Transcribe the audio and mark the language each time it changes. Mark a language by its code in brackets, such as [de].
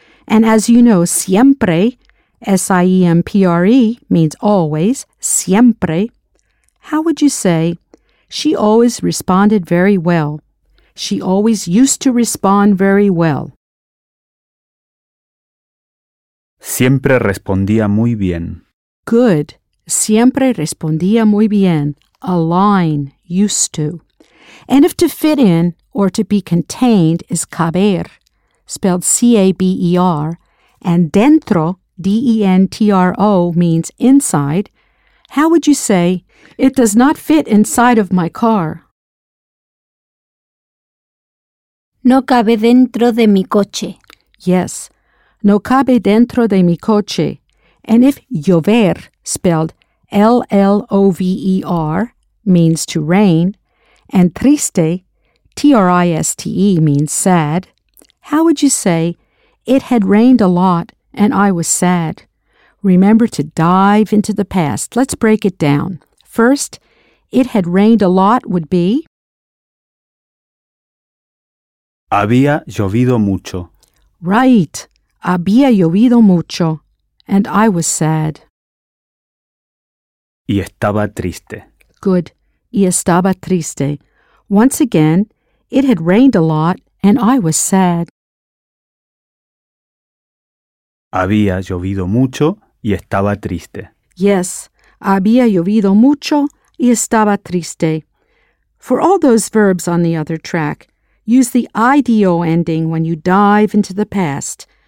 [en] And as you know, siempre, S-I-E-M-P-R-E, means always, siempre. How would you say, she always responded very well? She always used to respond very well. [es] Siempre respondía muy bien. [en] Good. [es] Siempre respondía muy bien. [en] A line, used to. And if to fit in or to be contained is caber, spelled C-A-B-E-R, and dentro, D-E-N-T-R-O, means inside, how would you say, it does not fit inside of my car? [es] No cabe dentro de mi coche. [en] Yes, [es] no cabe dentro de mi coche. [en] And if llover, spelled L-L-O-V-E-R, means to rain, and triste, T-R-I-S-T-E, means sad, how would you say, it had rained a lot and I was sad? Remember to dive into the past. Let's break it down. First, it had rained a lot would be... [es] Había llovido mucho. [en] Right. [es] Había llovido mucho. [en] And I was sad. [es] Y estaba triste. [en] Good. [es] Y estaba triste. [en] Once again, it had rained a lot and I was sad. [es] Había llovido mucho y estaba triste. [en] Yes, [es] había llovido mucho y estaba triste. [en] For all those verbs on the other track, use the IDO ending when you dive into the past.